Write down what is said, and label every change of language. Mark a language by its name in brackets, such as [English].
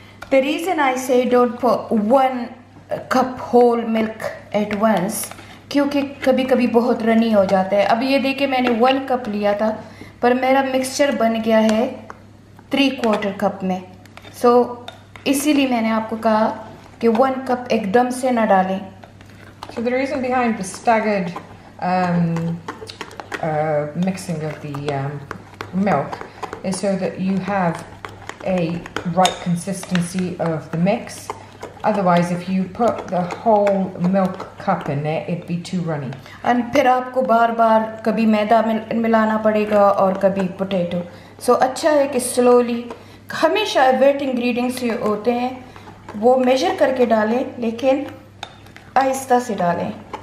[English] The reason I say don't put one cup whole milk at once, [Hindi] क्योंकि कभी कभी बहुत रनी हो जाता है. अब ये देखे मैंने वन कप लिया था पर मेरा मिक्सचर बन गया है थ्री क्वार्टर कप में. सो इसीलिए मैंने आपको कहा कि वन कप एकदम से ना डालें. [English] So the reason behind the staggered mixing of the milk is so that you have a right consistency of the mix. Otherwise, if you put the whole milk cup in there, it'd be too runny. [Hindi] And फिर आपको बार बार कभी मैदा मिलाना पड़ेगा और कभी potato. So अच्छा है कि slowly, हमेशा [English] wet ingredients [Hindi] ये होते हैं, वो measure करके डालें, लेकिन आहिस्ता से डालें.